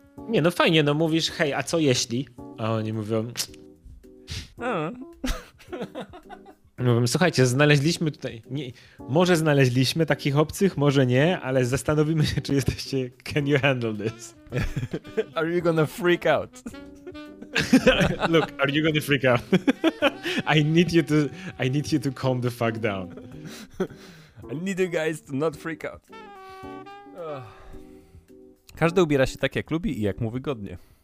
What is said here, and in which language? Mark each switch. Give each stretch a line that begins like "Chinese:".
Polish: Nie, no fajnie, no mówisz, hej, a co jeśli? A oni mówią... Mówię, słuchajcie, znaleźliśmy tutaj, nie, może znaleźliśmy takich obcych, może nie, ale zastanowimy się, czy jesteście,
English: can you handle this? Are you gonna freak out? Look, are you gonna freak out? I need you to calm the fuck down. I need you guys to not freak out.
Polish: Każdy ubiera się tak, jak lubi i jak mu wygodnie.